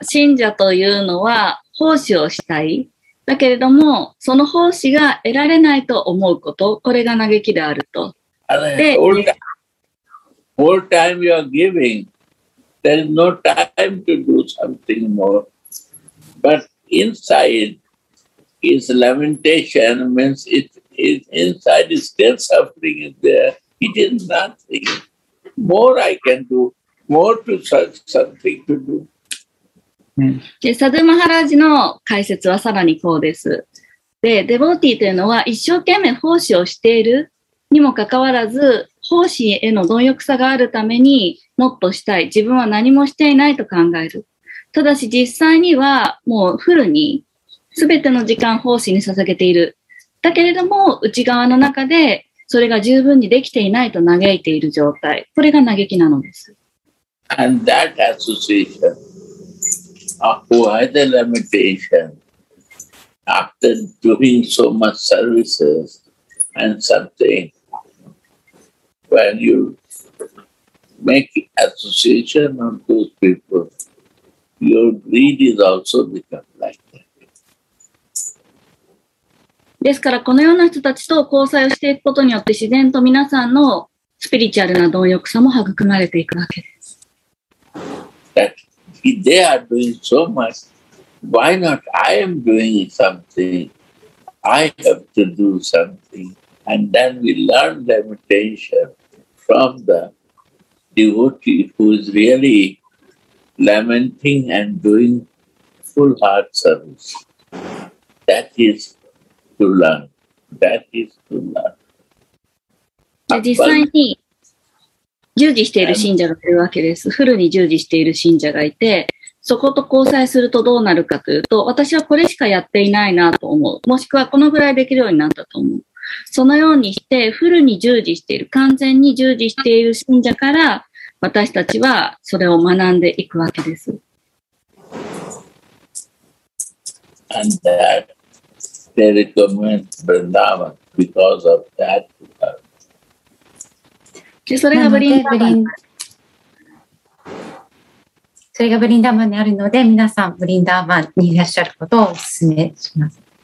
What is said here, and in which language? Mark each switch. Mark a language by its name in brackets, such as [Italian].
[Japanese] 信者というのは奉仕をしたい。だけれども、その奉仕が得られないと思うこと、これが嘆きであると。 [English] で、All time you are giving, there is no time to do something more. But inside is lamentation, means it inside is still suffering is there. It is nothing. More I can do, more to search something to do. [Japanese] で、サドゥ・マハラジの解説はさらにこうです。で、デボーティーというのは一生懸命奉仕をしているにもかかわらず、奉仕への貪欲さがあるためにもっとしたい。自分は何もしていないと考える。ただし実際にはもうフルに全ての時間奉仕に捧げている。だけれども内側の中でそれが十分にできていないと嘆いている状態。これが嘆きなのです。 [English] And that association acquired the limitation after doing so much services and something. When you make association of those people, your greed is also become like that. [Japanese] ですから、このような人たちと交際をしていくことによって、自然と皆さんのスピリチュアルな貪欲さも育まれていくわけです。 [English] That they are doing so much, why not? I am doing something. I have to do something. And then we learn the meditation from the devotee who is really lamenting and doing full heart service. That is to learn. That is to learn. [Japanese] そこと交際するとどうなるかというと、私はこれしかやっていないなと思う。もしくはこのぐらいできるようになったと思う。そのようにして、フルに従事している、完全に従事している信者から、私たちはそれを学んでいくわけです。 [English] And that, they recommend Vrindavan because of that. [Japanese] で、それがブリンダーバン。それがブリンダーバンにあるので、皆さんブリンダーバンにいらっしゃることをお勧めします。